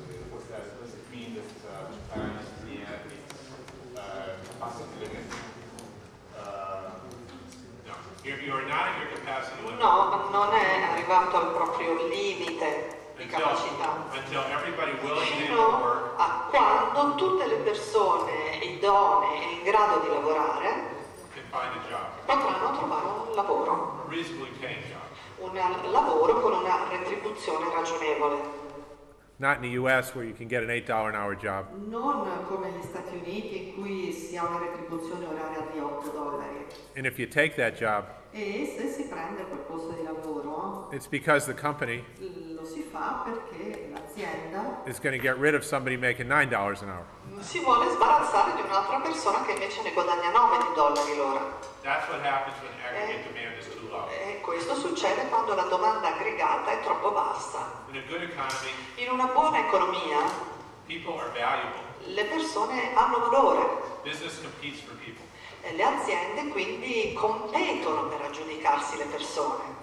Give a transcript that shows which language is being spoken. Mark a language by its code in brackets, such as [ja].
[en] Does it mean that Japan is at its capacity limit? [it] No, non è arrivato al proprio limite di capacità. Fino a quando tutte le persone idonee in grado di lavorare potranno trovare un lavoro. Un lavoro con una retribuzione ragionevole. [en] Not in the US where you can get an $8 an hour job. [it] Non come negli Stati Uniti in cui si ha una retribuzione oraria di $8. [en] And if you take that job, [it] e se si prende quel posto di lavoro, [en] it's because the company [it] lo si fa perché l'azienda [en] is going to get rid of somebody making $9 an hour. [it] Si vuole sbarazzare di un'altra persona che invece ne guadagna $9 l'ora. [en] That's what happens when aggregate demand is too low. [it] E questo succede quando la domanda aggregata è troppo bassa. [en] In a good economy, [it] in una buona economia, [en] people are valuable. [it] Le persone hanno valore. [en] Business competes for people. [it] E le aziende quindi competono per aggiudicarsi le persone.